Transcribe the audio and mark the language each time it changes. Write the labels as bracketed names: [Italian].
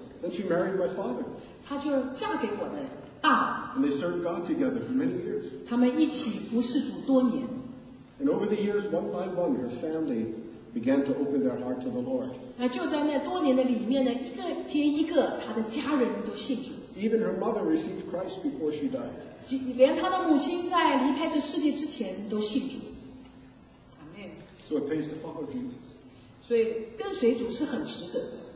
[English] Then she married my father. [Chinese] 她就嫁给我的爸。 [English] And they served God together for many years. [Chinese] 他们一起服侍主多年。 [English] And over the years, one by one, her family began to open their heart to the Lord. [Chinese] 那就在那多年的里面呢，一个接一个，她的家人都信主。 [English] Even her mother received Christ before she died. [Chinese] 连她的母亲在离开这世界之前都信主。 [English] Amen. So it pays to follow Jesus. [Chinese] 所以跟随主是很值得的。